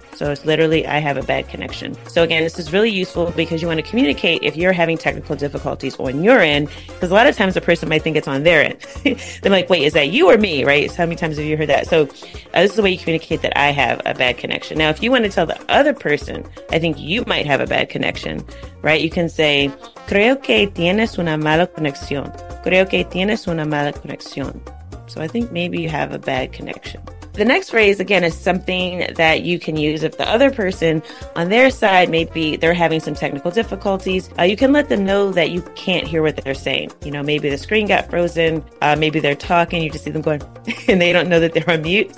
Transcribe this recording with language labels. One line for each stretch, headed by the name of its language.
English: So it's literally, I have a bad connection. So again, this is really useful because you want to communicate if you're having technical difficulties on your end, because a lot of times a person might think it's on their end. They're like, wait, is that you or me, right? So how many times have you heard that? So this is the way you communicate that I have a bad connection. Now, if you want to tell the other person, I think you might have a bad connection, right? You can say,
Spanish: creo que tienes una mala conexión. Creo que tienes una mala conexión.
English: So I think maybe you have a bad connection. The next phrase, again, is something that you can use if the other person on their side, maybe they're having some technical difficulties. You can let them know that you can't hear what they're saying. You know, maybe the screen got frozen. Maybe they're talking. You just see them going and they don't know that they're on mute.